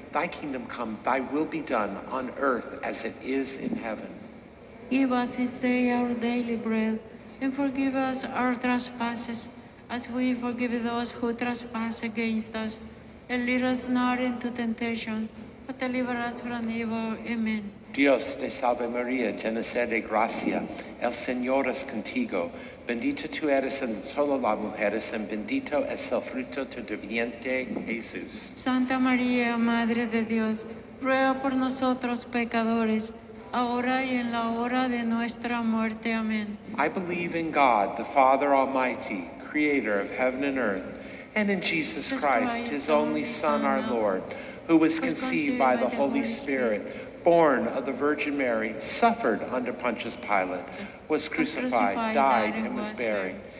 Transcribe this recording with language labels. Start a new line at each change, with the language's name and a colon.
English: Thy kingdom come, thy will be done on earth as it is in heaven. Give us this day our daily bread, and forgive us our trespasses, as we forgive those who trespass against us. And lead us not into temptation, but deliver us from evil. Amen.
Spanish: Dios te salve Maria, llena de gracia, el Señor es contigo. Bendita tú eres entre todas las mujeres, y bendito es el fruto de tu vientre, Jesús. Santa María, Madre de Dios, ruega por nosotros pecadores, ahora y en la hora de nuestra muerte. Amén.
English: I believe in God, the Father Almighty, creator of heaven and earth, and in Jesus Christ, his only Son, our Lord, who was conceived by the Holy Spirit, born of the Virgin Mary, suffered under Pontius Pilate, was crucified, died, and was buried.